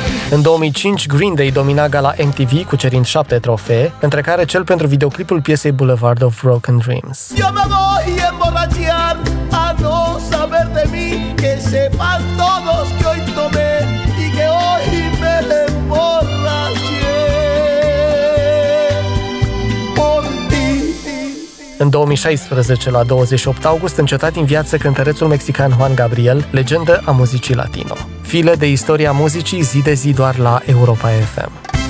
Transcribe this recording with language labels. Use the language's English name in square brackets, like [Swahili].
[Romanian] În 2005, Green Day domina gala MTV cucerind 7 trofee, între care cel pentru videoclipul piesei Boulevard of Broken Dreams. [Spanish] Yo me voy a emborrachar a no saber de mí, que sepan todos que hoy tomé y que hoy me emborraché por ti. [Romanian] În 2016, la 28 august, încetat din viață cântărețul mexican Juan Gabriel, legendă a muzicii latino. File de istoria muzicii zi de zi doar la Europa FM.